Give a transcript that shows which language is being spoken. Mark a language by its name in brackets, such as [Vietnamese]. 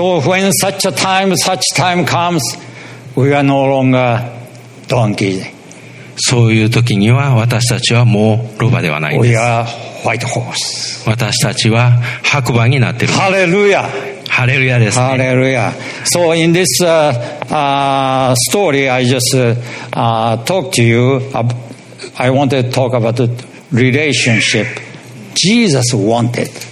[English] So when such time comes, we are no longer donkey. [Japanese] そういう時には私たちはもうロバではないんです。 [English] We are white horse. [Japanese] 私たちは白馬になっている。ハレルヤ。ハレルヤですね。ハレルヤ。 [English] So in this story, I just talked to you. I wanted to talk about the relationship Jesus wanted.